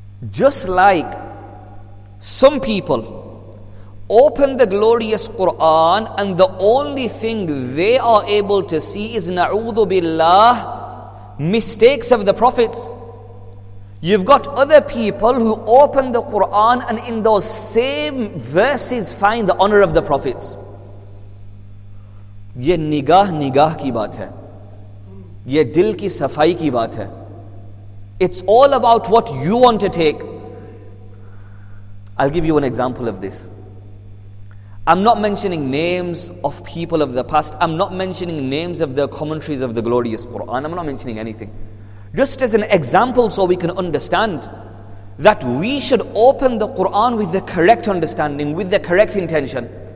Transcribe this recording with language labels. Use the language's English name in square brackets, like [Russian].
[English] Just like some people open the glorious Quran and the only thing they are able to see is, na'udhu billah, mistakes of the prophets. You've got other people who open the Quran and in those same verses find the honor of the prophets. [Urdu] یہ نگاہ نگاہ کی بات ہے۔ یہ دل کی صفائی کی بات ہے۔ [English] It's all about what you want to take. I'll give you an example of this. I'm not mentioning names of people of the past. I'm not mentioning names of the commentaries of the glorious Quran. I'm not mentioning anything. Just as an example, so we can understand that we should open the Quran with the correct understanding, with the correct intention.